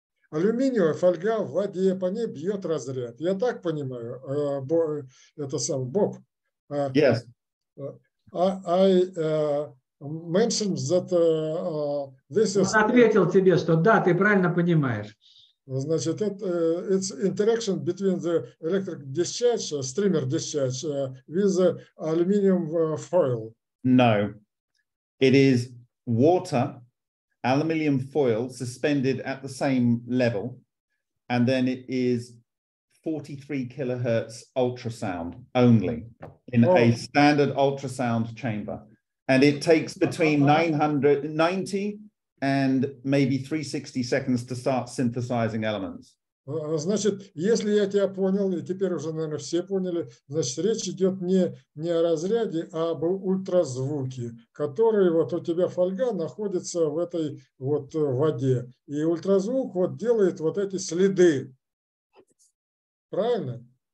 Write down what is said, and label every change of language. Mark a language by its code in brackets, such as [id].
[ru] Алюминиевая фольга в воде, по ней бьет разряд. Я так понимаю, это сам Боб. [en] Yes. I mentioned that this is... [ru] Он ответил тебе, что да, ты правильно понимаешь. [en] Значит, it's interaction between the electric discharge, streamer discharge, with the aluminium foil. No, it is water, aluminium foil suspended at the same level, and then it is 43 kilohertz ultrasound only in a standard ultrasound chamber. And it takes between 990 and maybe 360 seconds to start synthesizing elements. [ru] Значит, если я тебя понял, и теперь уже, наверное, все поняли, значит, речь идет не о разряде, а об ультразвуке, который вот у тебя фольга находится в этой вот воде. И ультразвук вот делает вот эти следы. Правильно?